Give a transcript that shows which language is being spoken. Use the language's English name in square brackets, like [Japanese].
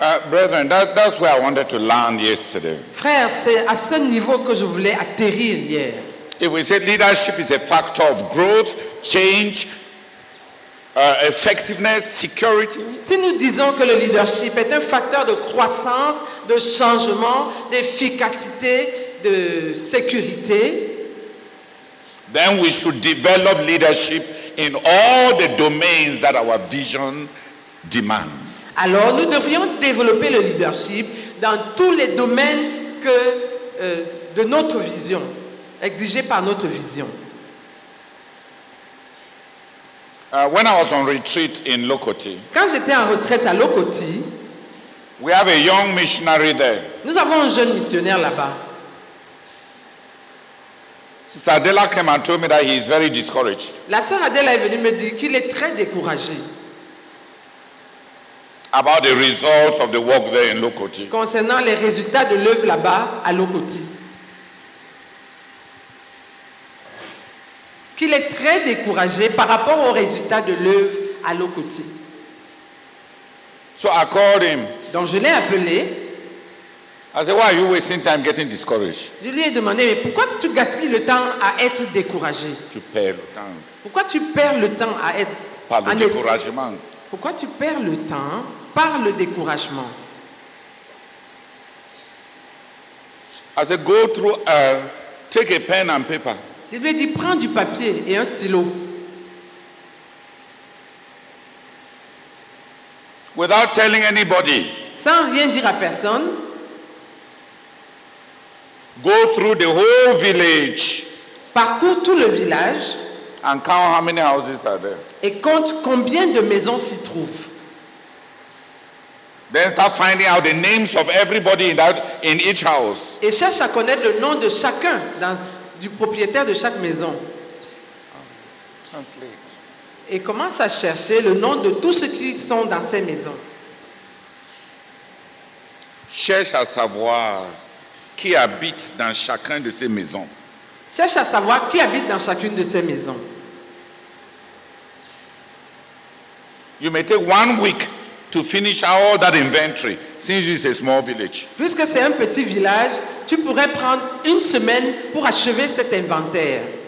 [English] Brethren, that's where I wanted to land yesterday. [French] Frère, c'est à ce niveau que je voulais atterrir hier. [English] If we said leadership is a factor of growth, change, effectiveness, security. [French] Si nous disons que le leadership est un facteur de croissance, de changement, d'efficacité, de sécurité, [English] then we should develop leadership in all the domains that our vision demands. [French] Alors nous devrions développer le leadership dans tous les domaines que de notre vision. Exigé par notre vision. [English] When I was on retreat in Lokoti, [French] quand j'étais en retraite à Lokoti, [English] we have a young missionary there. [French] Nous avons un jeune missionnaire là-bas. [English] Sister Adela came and told me that he is very discouraged. [French] La sœur Adela est venue me dire qu'il est très découragé. [English] About the results of the work there in Lokoti. [French] Concernant les résultats de l'œuvre là-bas à Lokoti. Qu'il est très découragé par rapport aux résultats de l'œuvre à Lokoti. [English] So I called him. [French] Donc je l'ai appelé. [English] I said, why are you wasting time getting discouraged? [French] Je lui ai demandé, mais pourquoi tu gaspilles le temps à être découragé? Tu perds le temps. Pourquoi tu perds le temps à être par le découragement? Pourquoi tu perds le temps par le découragement? [English] I said, go through, take a pen and paper. [French] Je lui ai dit, prends du papier et un stylo. [English] Without telling anybody. [French] Sans rien dire à personne. [English] Go through the whole village. [French] Parcours tout le village. [English] And count how many houses are there. [French] Et compte combien de maisons s'y trouvent. [English] Then start finding out the names of everybody in each house. [French] Et cherche à connaître le nom de chacun du propriétaire de chaque maison. [English] Translate. [French] Et commence à chercher le nom de tous ceux qui sont dans ces maisons. Cherche à savoir qui habite dans chacun de ces maisons. Cherche à savoir qui habite dans chacune de ces maisons. [English] You may take 1 week to finish all that inventory, since it's a small village. [French] Puisque c'est un petit village, tu pourrais prendre une semaine pour achever cet inventaire.